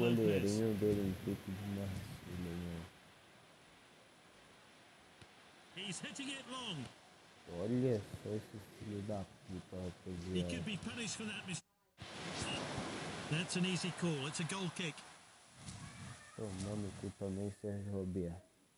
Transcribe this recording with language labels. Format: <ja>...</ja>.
<pt>Olha o goleirinho dele, um pouco de Marcelo, né?</pt> <en>He's hitting it long.</en> <pt>Olha só esse filho da puta, rapaziada.</pt> <en>He could be punished for that mistake. That's an easy call. It's a goal kick.</en> <pt>Tomando o cu também, Sérgio Roberto.</pt>